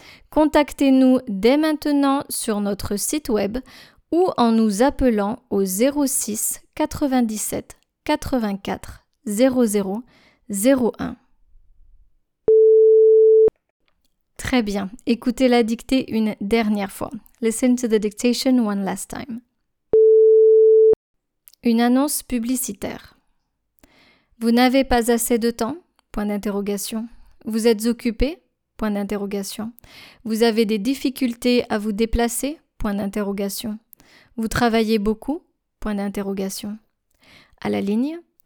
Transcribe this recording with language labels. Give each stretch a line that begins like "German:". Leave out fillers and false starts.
French: Contactez-nous dès maintenant sur notre site web ou en nous appelant au 06 97 84 00 01. Très bien. Écoutez la dictée une dernière fois.
English: Listen to the dictation one last time.
French: Une annonce publicitaire. Vous n'avez pas assez de temps ? Point d'interrogation. Vous êtes occupé ? Point d'interrogation. Vous avez des difficultés à vous déplacer ? Point d'interrogation. Vous travaillez beaucoup ? Point d'interrogation. À la ligne.